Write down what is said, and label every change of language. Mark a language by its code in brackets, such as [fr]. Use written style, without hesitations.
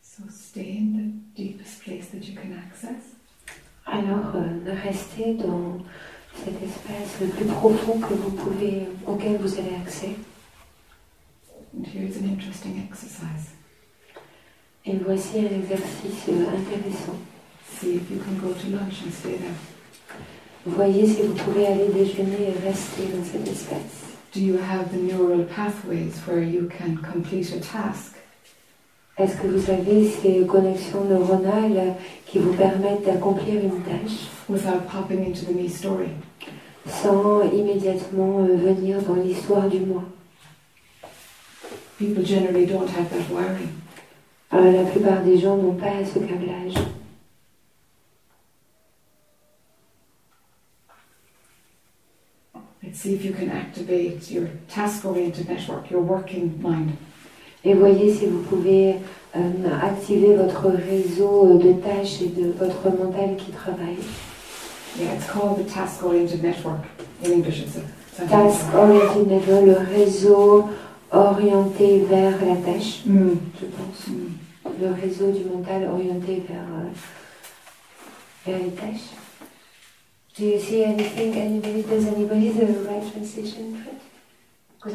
[en] Stay in the deepest place that you can access. [fr] Alors, ne restez dans cet espace le plus profond que vous pouvez, auquel vous avez accès. [en] And here's an interesting exercise. [fr] Et voici un exercice intéressant. [en] See if you can go to lunch and stay there. [fr] Voyez si vous pouvez aller déjeuner et rester dans cet espace. [en] Do you have the neural pathways where you can complete a task? [fr] Est-ce que vous avez ces connexions neuronales qui vous permettent d'accomplir une tâche [en] without popping into the me story. [fr] Sans immédiatement venir dans l'histoire du moi? [en] People generally don't have that wiring. [fr] La plupart des gens n'ont pas ce câblage. [en] Let's see if you can activate your task-oriented network, your working mind. [fr] Et voyez si vous pouvez activer votre réseau de tâches et de votre mental qui travaille. [en] Yeah, it's called the task-oriented network. In English, it's a task-oriented network, [fr] le réseau orienté vers la tâche, je pense. Mm. Le réseau du mental orienté vers les tâches. [en] Do you see anything? Anybody? Does anybody have the right translation for it?